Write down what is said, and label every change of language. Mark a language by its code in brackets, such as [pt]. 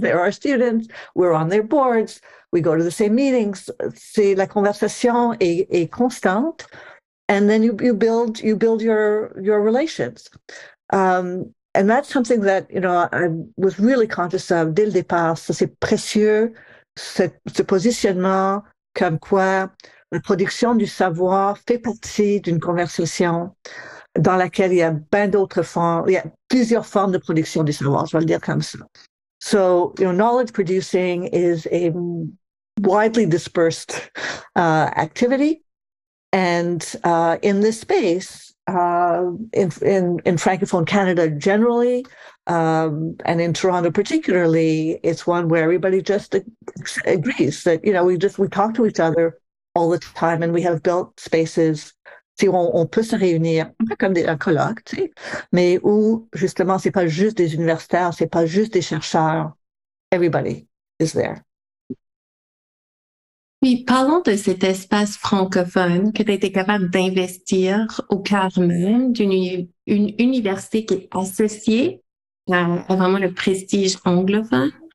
[en] There are students. We're on their boards. We go to the same meetings. [fr] C'est la conversation est constante. [en] And then you build your relations. And that's something that, I was really conscious of [fr] dès le départ. Ça, c'est précieux, ce positionnement comme quoi la production du savoir fait partie d'une conversation dans laquelle il y a bien d'autres formes, il y a plusieurs formes de production du savoir, je vais le dire comme ça. [en] So, knowledge producing is a widely dispersed activity. And in this space, in Francophone Canada generally, and in Toronto particularly, it's one where everybody just agrees that, we talk to each other all the time, and we have built spaces. [fr] Si on peut se réunir, un peu comme un colloque, tu sais, mais où justement c'est pas juste des universitaires, c'est pas juste des chercheurs. [en] Everybody is there. [fr] Puis parlons de cet espace francophone que tu as été capable d'investir au cœur même d'une une université qui est associée à vraiment le prestige anglophone.